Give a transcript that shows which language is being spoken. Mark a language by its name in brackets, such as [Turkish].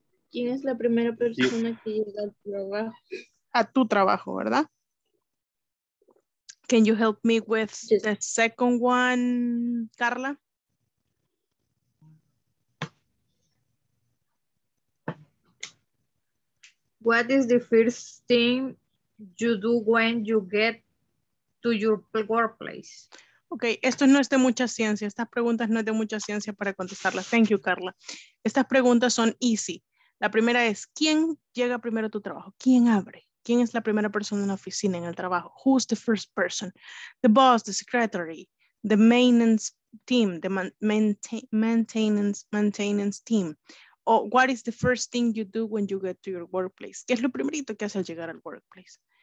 [Spanish] ¿Quién es la primera persona que llega al trabajo? A tu trabajo, ¿verdad? [English] Can you help me with the second one, Carla? What is the first thing you do when you get to your workplace? [Spanish] Okay, esto no es de mucha ciencia. Estas preguntas no es de mucha ciencia para contestarlas. [English] Thank you, Carla. [Spanish] Estas preguntas son easy. La primera es, ¿quién llega primero a tu trabajo? ¿Quién abre? ¿Quién es la primera persona en la oficina, en el trabajo? [English] Who's the first person? The boss, the secretary, the maintenance team, the maintenance team. Or what is the first thing you do when you get to your workplace? [Spanish] ¿Qué es lo primerito que hace al llegar al workplace?